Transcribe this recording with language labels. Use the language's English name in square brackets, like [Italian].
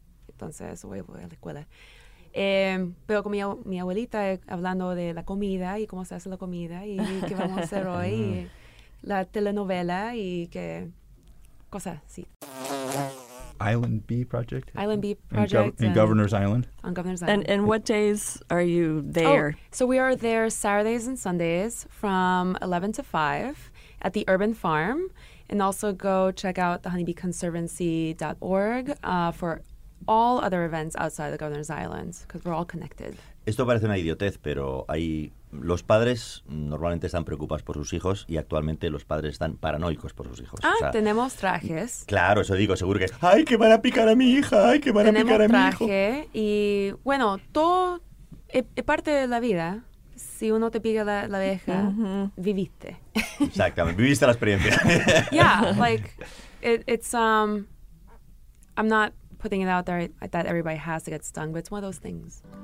[Spanish] Entonces, voy a la escuela. Pero con mi abuelita, hablando de la comida y cómo se hace la comida y qué vamos a hacer hoy. Y la telenovela y qué cosas, sí. [English] Island Bee Project? Island Bee Project. In Governor's Island? On Governor's Island. And what days are you there? Oh, so we are there Saturdays and Sundays from 11 to 5 at the Urban Farm. And also go check out the honeybeeconservancy.org for all other events outside the Governor's Island, because we're all connected. [Spanish] Esto parece una idiotez, pero hay... Los padres normalmente están preocupados por sus hijos y actualmente los padres están paranoicos por sus hijos. Ah, o sea, tenemos trajes. Claro, eso digo, seguro que es, ¡ay, que van a picar a mi hija! ¡Ay, que van a picar a mi hijo! Tenemos traje y, bueno, todo es parte de la vida. Si uno te pica la abeja, uh-huh, viviste. Exactamente, viviste la experiencia. [English] Yeah, like, it's, I'm not putting it out there that everybody has to get stung, but it's one of those things.